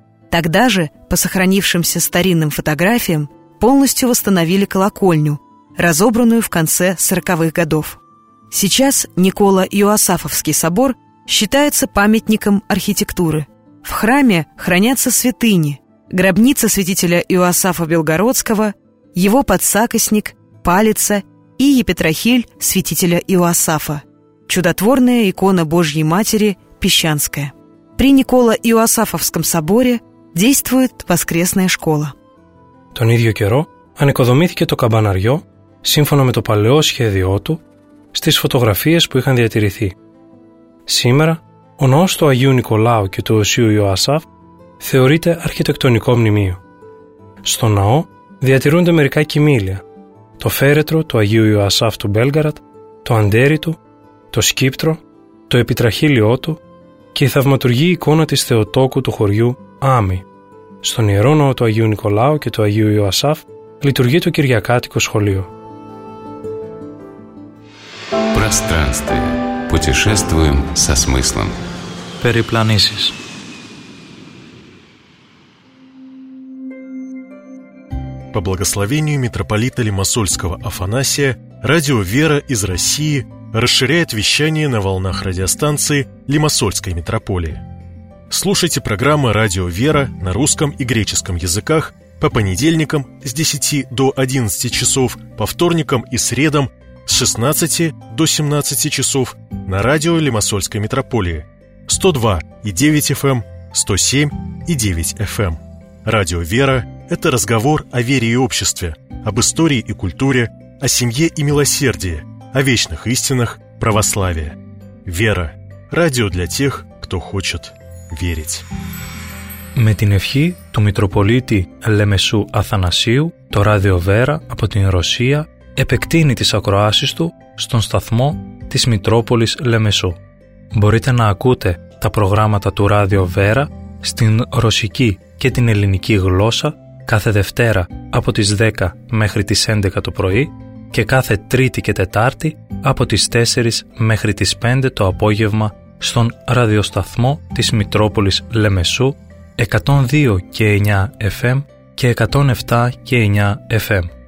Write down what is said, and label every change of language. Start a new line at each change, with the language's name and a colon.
Russian: Тогда же, по сохранившимся старинным фотографиям, полностью восстановили колокольню, разобранную в конце 40-х годов. Сейчас Никола-Иоасафовский собор считается памятником архитектуры. В храме хранятся святыни, гробница святителя Иоасафа Белгородского, его подсакосник, палица и епитрахиль святителя Иоасафа, чудотворная икона Божьей Матери Песчанская. При Никола-Иоасафовском соборе действует воскресная школа.
Greek: Τον ίδιο καιρό ανοικοδομήθηκε το καμπαναριό, σύμφωνα με το παλαιό σχέδιό του, στις φωτογραφίες που είχαν διατηρηθεί. Σήμερα, ο ναός του Αγίου Νικολάου και του Οσίου Ιωασάφ θεωρείται αρχιτεκτονικό μνημείο. Στο ναό διατηρούνται μερικά κοιμήλια, το φέρετρο του Αγίου Ιωασάφ του Μπέλγαρατ, το αντέρι του, το σκύπτρο, το επιτραχύλιό του και η θαυματουργή εικόνα της Θεοτόκου του χωριού Άμι. Στον Ιερό Ναό του Αγίου Νικολάου και του Αγίου Ιωασάφ λειτουργεί το Κυριακάτικο Σχολείο.
Russian: Пространстве. Путешествуем со смыслом.
Greek: Περιπλανήσεις.
Russian: По благословению митрополита Лимассольского Афанасия, радио «Вера» из России расширяет вещание на волнах радиостанции Лимассольской митрополии. Слушайте программы «Радио Вера» на русском и греческом языках по понедельникам с 10 до 11 часов, по вторникам и средам с 16 до 17 часов на радио Лимассольской митрополии 102,9 FM, 107,9 FM. «Радио Вера» — это разговор о вере и обществе, об истории и культуре, о семье и милосердии, о вечных истинах православия. «Вера» — радио для тех, кто хочет верить.
Greek: Με την ευχή του Μητροπολίτη Λεμεσού Αθανασίου, το Ράδιο Βέρα από την Ρωσία επεκτείνει τις ακροάσεις του στον σταθμό της Μητρόπολης Λεμεσού. Μπορείτε να ακούτε τα προγράμματα του Ράδιο Βέρα στην ρωσική και την ελληνική γλώσσα κάθε Δευτέρα από τις 10 μέχρι τις 11 το πρωί και κάθε Τρίτη και Τετάρτη από τις 4 μέχρι τις 5 το απόγευμα στον ραδιοσταθμό της Μητρόπολης Λεμεσού 102 και 9 FM και 107 και 9 FM.